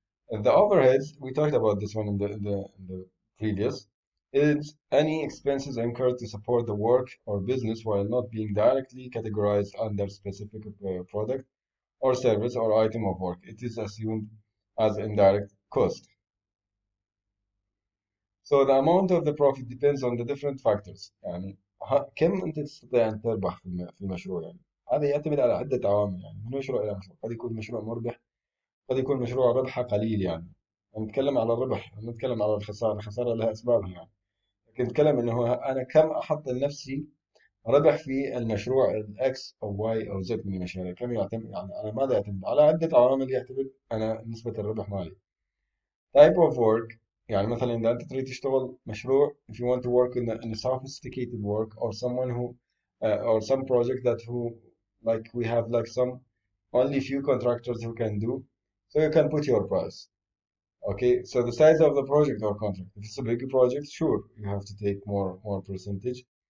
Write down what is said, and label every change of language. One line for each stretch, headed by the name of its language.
English: And the overheads, we talked about this one in the previous, is any expenses incurred to support the work or business while not being directly categorized under specific product or service or item of work. It is assumed as indirect cost. So the amount of the profit depends on the different factors.
Arabic: يعني كم انت تستطيع ان تربح في المشروع يعني؟ هذا يعتمد على عدة عوامل يعني من مشروع إلى مشروع، قد يكون مشروع مربح، قد يكون مشروع ربحه قليل يعني. نتكلم على الربح، نتكلم على الخسارة، الخسارة لها أسباب يعني. لكن نتكلم إنه أنا كم أحط لنفسي ربح في المشروع الإكس أو واي أو زد من المشاريع، كم يعتمد يعني على ماذا يعتمد؟ على عدة عوامل يعتمد أنا نسبة الربح مالي.
English: Type of work،
Arabic: يعني مثلا إذا أنت تريد تشتغل مشروع،
English: if you want to work in a sophisticated work or someone who or some project that who like we have like some only few contractors who can do, so you can put your price. Okay, so the size of the project or contract. If it's a big project, sure, you have to take more percentage.